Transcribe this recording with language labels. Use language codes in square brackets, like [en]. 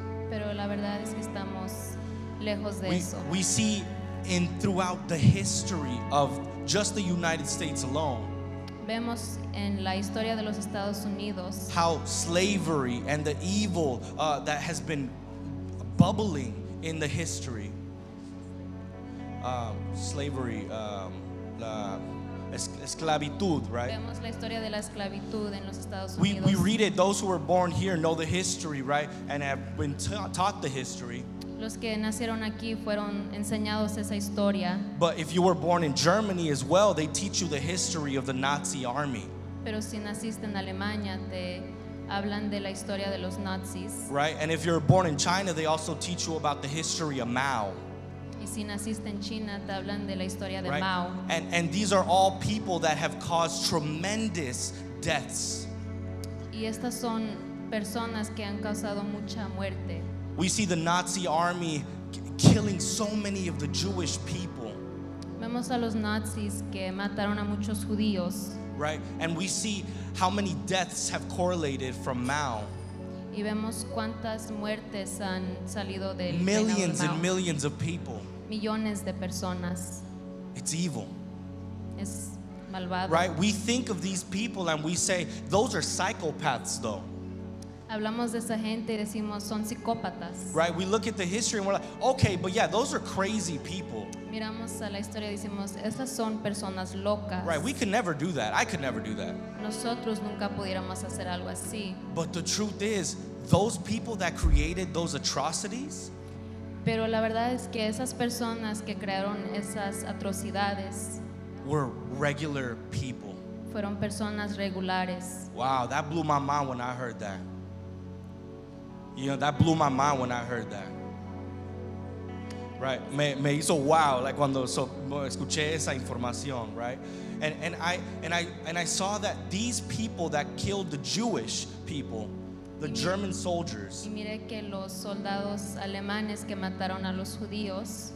[es] Pero la verdad es que estamos lejos de eso. [en] We see in throughout the history of just the United States alone, [es] vemos en la historia de los Estados Unidos, [en] how slavery and the evil that has been bubbling in the history, slavery, [es] la esclavitud, [en] right? [es] Vemos la historia de la esclavitud en los Estados Unidos. [en] We read it. Those who were born here know the history, right? And have been taught the history. [es] Los que nacieron aquí fueron enseñados esa historia. [en] But if you were born in Germany as well, they teach you the history of the Nazi army. [es] Pero si naciste en Alemania, te hablan de la historia de los nazis. [en] Right? And if you're born in China, they also teach you about the history of Mao. [es] Y si naciste en China, te hablan de la historia de Mao. [en] And these are all people that have caused tremendous deaths. [es] Y estas son personas que han causado mucha muerte. [en] We see the Nazi army killing so many of the Jewish people. [es] Vemos a los nazis que mataron a muchos judíos. [en] Right? And we see how many deaths have correlated from Mao. [es] Y vemos cuántas muertes han salido del [en] millions and millions of people. [es] Millones de personas. [en] It's evil. [es] Es malvado. [en] Right? We think of these people and we say those are psychopaths though. [es] Hablamos de esa gente y decimos son psicópatas. [en] Right, we look at the history and we're like, okay, but yeah, those are crazy people. [es] Miramos a la historia y decimos esas son personas locas. [en] Right, we could never do that. I could never do that. [es] Nosotros nunca pudiéramos hacer algo así. [en] But the truth is, those people that created those atrocities. [es] Pero la verdad es que esas personas que crearon esas atrocidades. [en] Were regular people. [es] Fueron personas regulares. [en] Wow, that blew my mind when I heard that. You know, that blew my mind when I heard that. Right? [es] Me hizo wow, [en] like [es] cuando escuché esa información, [en] right? And I saw that these people that killed the Jewish people, the German soldiers, [es] y mire que los soldados alemanes que mataron a los judíos,